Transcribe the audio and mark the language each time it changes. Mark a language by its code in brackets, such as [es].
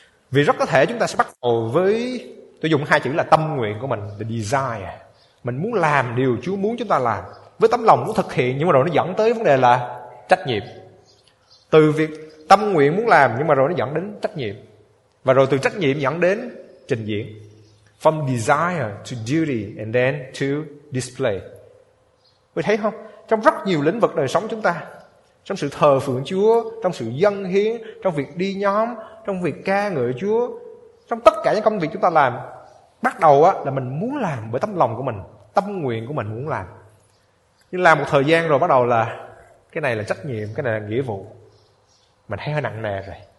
[vi] Vì rất có thể chúng ta sẽ bắt đầu với, tôi dùng hai chữ là tâm nguyện của mình, [en] the desire. [vi] Mình muốn làm điều Chúa muốn chúng ta làm, với tấm lòng muốn thực hiện, nhưng mà rồi nó dẫn tới vấn đề là trách nhiệm. Từ việc tâm nguyện muốn làm, nhưng mà rồi nó dẫn đến trách nhiệm. Và rồi từ trách nhiệm dẫn đến trình diễn. [en] From desire to duty and then to display. [vi] Quý thấy không? Trong rất nhiều lĩnh vực đời sống chúng ta, trong sự thờ phượng Chúa, trong sự dâng hiến, trong việc đi nhóm, trong việc ca ngợi Chúa, trong tất cả những công việc chúng ta làm, bắt đầu là mình muốn làm bởi tấm lòng của mình, tâm nguyện của mình muốn làm. Nhưng làm một thời gian rồi bắt đầu là cái này là trách nhiệm, cái này là nghĩa vụ. Mình thấy hơi nặng nề rồi.